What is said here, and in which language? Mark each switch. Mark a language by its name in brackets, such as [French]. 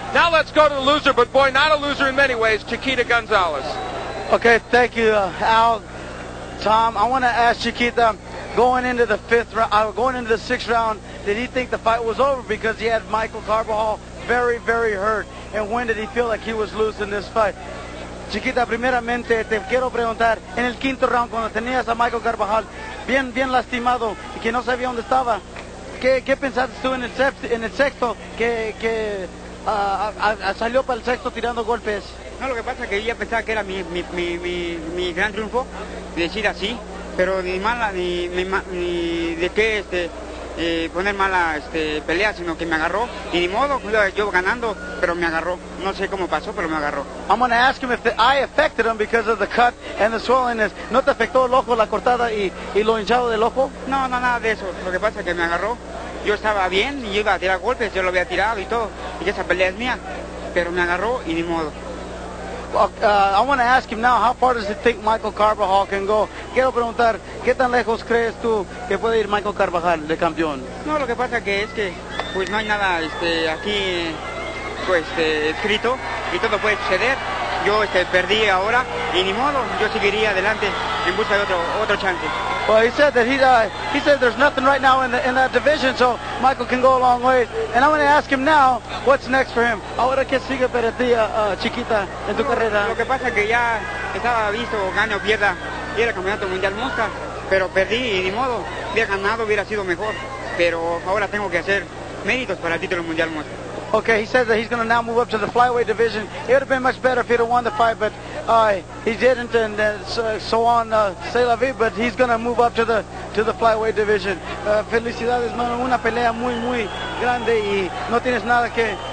[English] Now let's go to the loser, but boy, not a loser in many ways, Chiquita Gonzalez. Okay, thank you, Al. Tom, I want to ask Chiquita, going into the sixth round, did he think the fight was over because he had Michael Carbajal very, very hurt? And when did he feel like he was losing this fight? [Spanish] Chiquita, primeramente, te quiero preguntar, en el quinto round, cuando tenías a Michael Carbajal bien, bien lastimado, y que no sabía dónde estaba, ¿qué pensaste tú en el sexto, que salió para el sexto tirando golpes? No, lo que pasa es que ella pensaba que era mi gran triunfo, decir así. Pero ni de qué poner mala pelea, sino que me agarró. Y ni modo, yo ganando, pero me agarró. No sé cómo pasó, pero me agarró. [English] I'm going to ask him if the eye affected him because of the cut and the swelling. [Spanish] ¿No te afectó el ojo, la cortada y lo hinchado del ojo? No, no, nada de eso. Lo que pasa es que me agarró. Yo estaba bien y iba a tirar golpes, yo lo había tirado y todo. Y esa pelea es mía. Pero me agarró y ni modo. [English] I want to ask him now, how far does he think Michael Carbajal can go? [Spanish] Quiero preguntar, ¿qué tan lejos crees tú que puede ir Michael Carbajal de campeón? No, lo que pasa es que pues no hay nada aquí pues escrito y todo puede suceder. Yo perdí ahora y ni modo, yo seguiría adelante en busca de otro chance. [English] Well, he said that he said there's nothing right now in that division, so Michael can go a long ways. And I'm going to ask him now, what's next for him? [Spanish] Ahora qué sigue para ti, Chiquita, en tu carrera. Lo que pasa es que ya estaba visto, gane o pierda, y era campeonato mundial mosca, pero perdí y ni modo. Hubiera ganado, hubiera sido mejor, pero ahora tengo que hacer méritos para el título mundial mosca. [English] Okay, he says that he's going to now move up to the flyweight division. It would have been much better if he'd have won the fight, but he didn't, and so on, c'est la vie, but he's going to move up to the flyweight division. [Spanish] Felicidades, mano, una pelea muy, muy grande, y no tienes nada que...